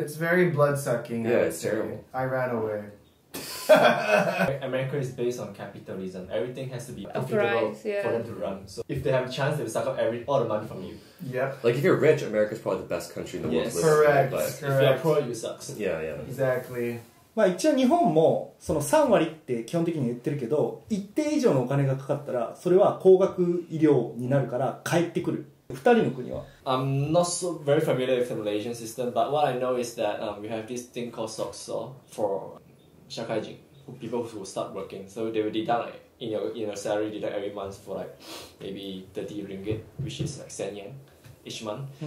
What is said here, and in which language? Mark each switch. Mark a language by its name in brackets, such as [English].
[English] It's very blood-sucking. Yeah, it's terrible. I ran away. America is based on capitalism. Everything has to be profitable for them to run. So if they have a chance, they will suck up all the money from you. Yep. Like if you're rich, America's probably the best country in the world. Yes, correct. But if you're poor, you suck. Yeah, yeah. Exactly. [Japanese] まあ一応日本もその3割って基本的に言ってるけど、一定以上のお金がかかったらそれは高額医療になるから帰ってくる。 2人の国は [English] I'm not so very familiar with the Malaysian system, but what I know is that、we have this thing called SOCSO for 社会人 people who will start working. So they will deduct in your salary deduct every month for like maybe 30 ringgit, which is like 10 yen each month.